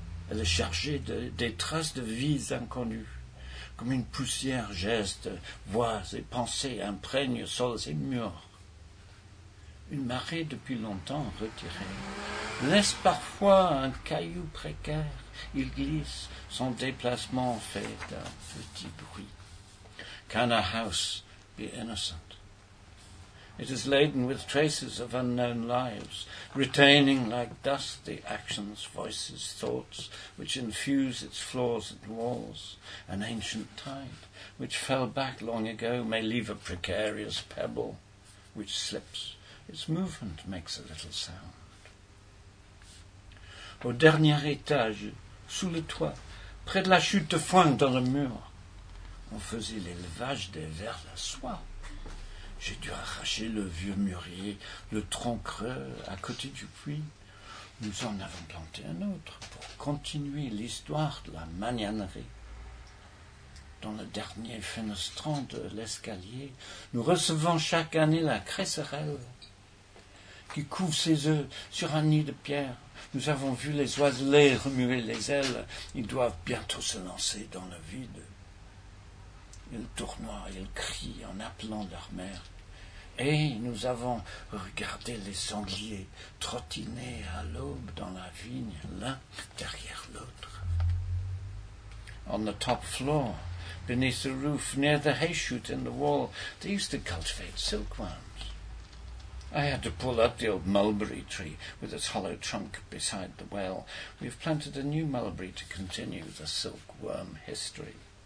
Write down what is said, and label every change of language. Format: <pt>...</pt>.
<fr>Elle est chargée des traces de vies inconnues, comme une poussière geste, voix et pensées imprègnent sols et murs. Une marée depuis longtemps retirée laisse parfois un caillou précaire. Il glisse, son déplacement fait un petit bruit.</fr> <en>Can a house be innocent? It is laden with traces of unknown lives, retaining like dust the actions, voices, thoughts, which infuse its floors and walls. An ancient tide, which fell back long ago, may leave a precarious pebble, which slips. Its movement makes a little sound.</en> <fr>Au dernier étage, sous le toit, près de la chute de foin dans le mur, on faisait l'élevage des vers à soie. J'ai dû arracher le vieux mûrier, le tronc creux à côté du puits. Nous en avons planté un autre pour continuer l'histoire de la magnanerie. Dans le dernier fenestrant de l'escalier, nous recevons chaque année la cresserelle qui couvre ses œufs sur un nid de pierre. Nous avons vu les oiselets remuer les ailes. Ils doivent bientôt se lancer dans le vide. Ils tournoient, ils crient en appelant leur mère. Et nous avons regardé les sangliers trottiner à l'aube dans la vigne, l'un derrière l'autre.</fr> <en>On the top floor, beneath the roof, near the hay chute in the wall, they used to cultivate silkworms. I had to pull up the old mulberry tree with its hollow trunk beside the well. We have planted a new mulberry to continue the silkworm history.</en>